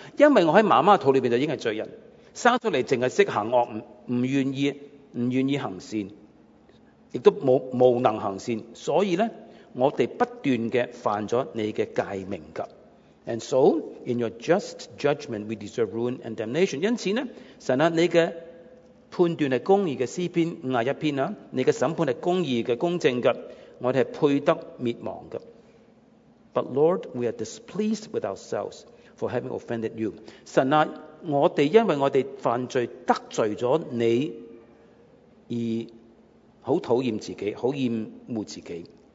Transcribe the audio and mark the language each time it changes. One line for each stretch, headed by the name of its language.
Chinese: 因为我在妈妈的肚里面就已经是罪人，生出来只是懂行恶，不愿意行善，也都无能行善，所以呢我们不断地犯了你的诫命。
English: And so in your just judgment we deserve ruin and damnation。
Chinese: 因此呢，神啊，你的判断是公义的，诗篇51篇，你的审判是公义的公正的，我们是配得灭亡的。
English: But Lord we are displeased with ourselves for having offended you。
Chinese: 神啊，我们因为我们犯罪得罪了你而很讨厌自己，很厌恶自己。